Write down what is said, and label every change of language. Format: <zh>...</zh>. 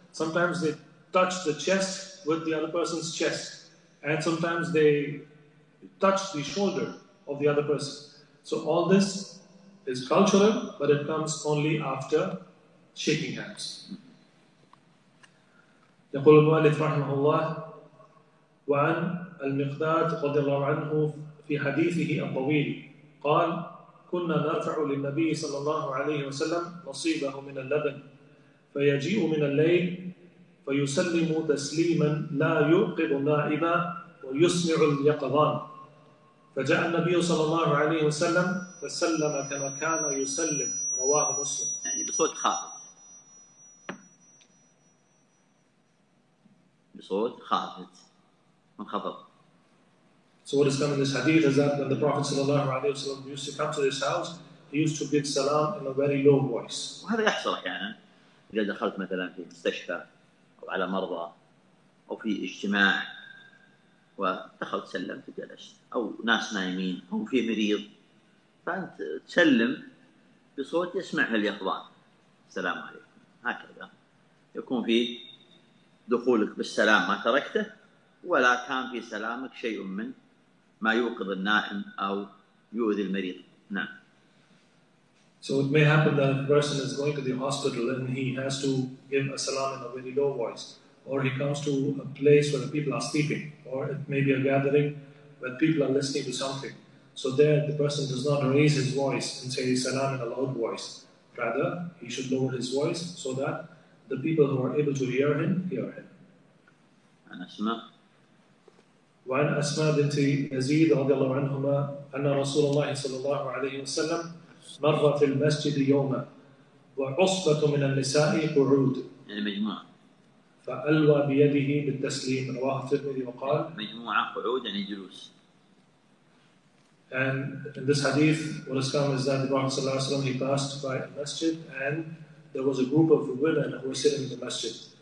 <en>Sometimes they touch the chest with the other person's chest. And sometimes they touch the shoulder of the other person. So all this is cultural, but it comes only after shaking hands.</en> <ar>يقول المؤلف رحمه الله وعن المقداد رضي الله عنه في حديثه الطويل قال كنا نرفع للنبي صلى الله عليه وسلم نصيبه من اللبن فيجيء من الليل فيسلم تسليما لا يوقظ نائما ويسمع اليقظان فجاء النبي صلى الله عليه وسلم فسلم كما كان يسلم رواه مسلم. يعني بصوت خافت. بصوت خافت. منخفض.</ar> <en>So what is coming in this hadith is that when the Prophet</en> <ar>صلى الله عليه وسلم</ar> <en>used to come to this house, he used to give salam in a very low voice.</en> <ar>وهذا يحصل أحيانا إذا دخلت مثلا في مستشفى أو على مرضى أو في اجتماع ودخلت سلمت جلست أو ناس نايمين أو في مريض فأنت تسلم بصوت يسمعه اليقظان السلام عليكم هكذا يكون في دخولك بالسلام ما تركته ولا كان في سلامك شيء من ما يوقظ النائم أو يؤذي المريض نعم.</ar> <en>So it may happen that a person is going to the hospital and he has to give a salam in a very low voice, or he comes to a place where the people are sleeping, or it may be a gathering where people are listening to something. So there the person does not raise his voice and say salam in a loud voice. Rather, he should lower his voice so that the people who are able to hear him, hear him. And Asma.</en> <ar>وعن أسماء بنت يزيد رضي الله عنهما أن رسول الله صلى الله عليه وسلم مر في المسجد يوما وعصبة من النساء قعود يعني مجموعة فألوى بيده بالتسليم رواه الترمذي وقال مجموعة قعود يعني جلوس.</ar> <en>And in this hadith what has come is that the Prophet</en> <ar>صلى الله عليه وسلم</ar> <en>he passed by a masjid and there was a group of women who were sitting in the masjid.</en>